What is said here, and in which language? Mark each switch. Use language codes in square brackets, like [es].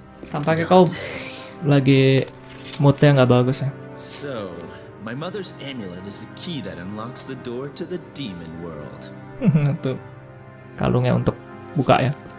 [id] Tampaknya kau lagi moodnya nggak bagus ya. [en] So, my mother's amulet is the key that unlocks the door to the demon world. [id] Tuh, kalungnya untuk buka ya.